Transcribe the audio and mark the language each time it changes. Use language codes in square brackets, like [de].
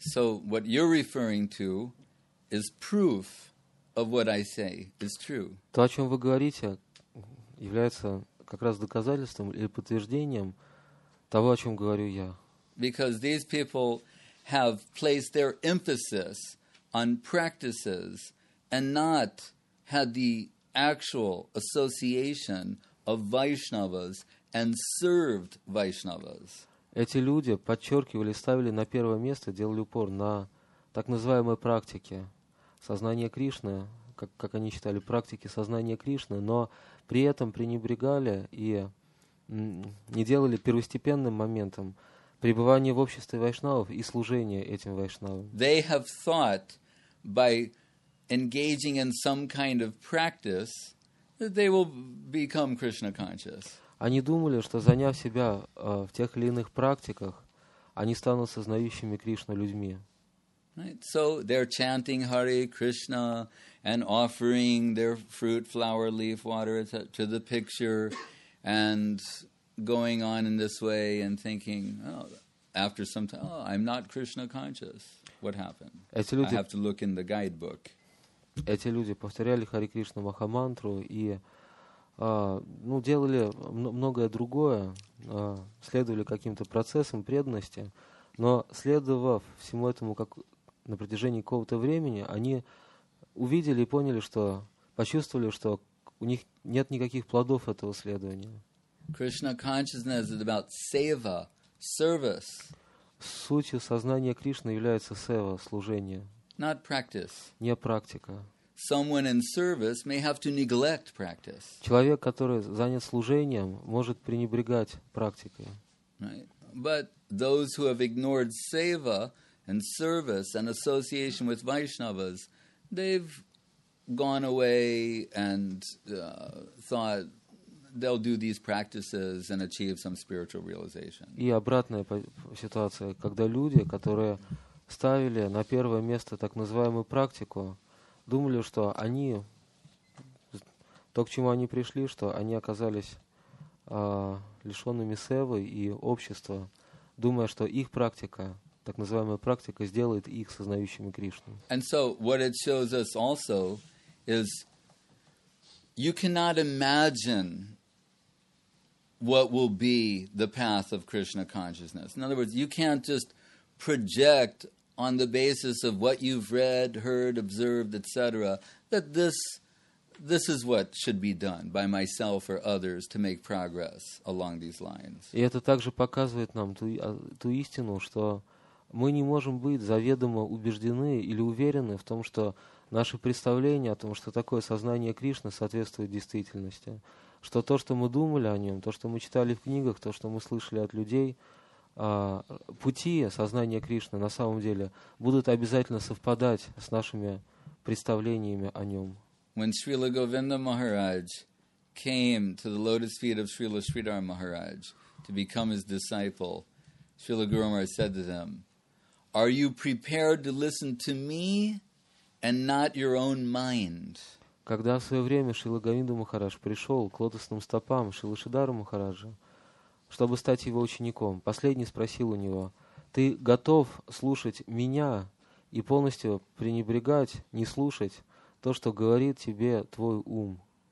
[en] So what you're referring to is proof of what I say is true. [ru] То, о чем вы говорите, является как раз доказательством или подтверждением того, о чем говорю я. [en] Because these people have placed their emphasis on practices and not had the actual association of Vaishnavas and served Vaishnavas. [ru] Эти люди подчеркивали, ставили на первое место, делали упор на так называемые практики сознания Кришны, как они считали, практики сознания Кришны, но при этом пренебрегали и не делали первостепенным моментом пребывание в обществе вайшнавов и служение этим вайшнавам. [en] They have thought by engaging in some kind of practice that they will become Krishna conscious. [ru] Они думали, что заняв себя в тех или иных практиках, они станут сознающими Кришну людьми. [en] Right? So they're chanting Hare Krishna and offering their fruit, flower, leaf, water to the picture and going on in this way and thinking, oh, after some time, oh, I'm not Krishna conscious. What happened? [ru] Люди, [en] I have to look in the guidebook. [ru] Эти люди повторяли Хари Кришна Махамантру и ну, делали многое другое, следовали каким-то процессам преданности, но следовав всему этому как на протяжении какого-то времени, они увидели и поняли, что почувствовали, что у них нет никаких плодов этого следования. [en] Krishna consciousness is about seva, service. [ru] Сутью сознания Кришны является сева, служение. [en] Not practice. [ru] Не практика. [en] Someone in service may have to neglect practice. [ru] Человек, который занят служением, может пренебрегать практикой. [en] Right. But those who have ignored seva and service and association with Vaishnavas, they've gone away and thought they'll do these practices and achieve some spiritual realization. [ru] И обратная ситуация, когда люди, которые ставили на первое место так называемую практику, думали, что они, то, к чему они пришли, что они оказались лишенными севы и общества, думая, что их практика, так называемая практика, сделает их сознающими Кришну. [en] And so, what it shows us also is you cannot imagine what will be the path of Krishna consciousness. In other words, you can't just project on the basis of what you've read, heard, observed, etc., that this is what should be done by myself or others to make progress along these lines. [ru] И это также показывает нам ту истину, что мы не можем быть заведомо убеждены или уверены в том, что наши представления о том, что такое сознание Кришны, соответствует действительности. Что то, что мы думали о нем, то, что мы читали в книгах, то, что мы слышали от людей, пути сознания Кришны на самом деле будут обязательно совпадать с нашими представлениями о нем. [en] When Srila Govinda Maharaj came to the lotus feet of Srila Sridhar Maharaj to become his disciple, Srila Guru Maharaj said to him, "Are you prepared to listen to me and not your own mind?" [ru] Когда в свое время Шрила Говинда Махарадж пришел к лотосным стопам Шрилы Шридхара Махараджа, чтобы стать его учеником, последний спросил у него: «Ты готов слушать меня и полностью пренебрегать, не слушать то, что говорит тебе твой ум?»